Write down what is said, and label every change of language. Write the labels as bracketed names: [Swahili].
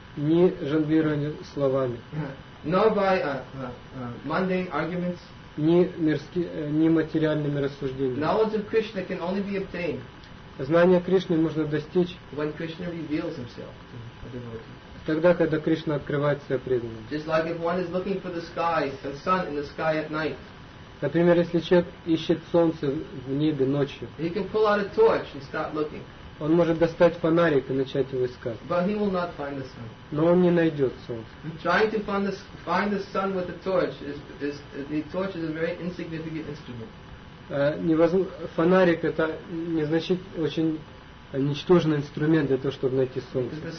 [Russian] Ни жонглированием словами. [English] Nor by mundane arguments. [Russian] Ни материальными рассуждениями. [English] Knowledge of Krishna can only be obtained. [Russian] Знание Кришны можно достичь. [English] When Krishna reveals himself to a devotee. [Russian] Тогда, когда Кришна открывает себя преданным. [English] Just like if one is looking for the sky, the sun in the sky at night. [Russian] Например, если человек ищет солнце в небе ночью. [English] He can pull out a torch and start looking. [Russian] Он может достать фонарик и начать его искать. [English] But he will not find the sun. [Russian] Но он не найдет солнце. [English] Trying to find the sun with a torch is a very insignificant instrument. [Russian] Фонарик это не значит очень. Ничтожный инструмент для того, чтобы найти солнце.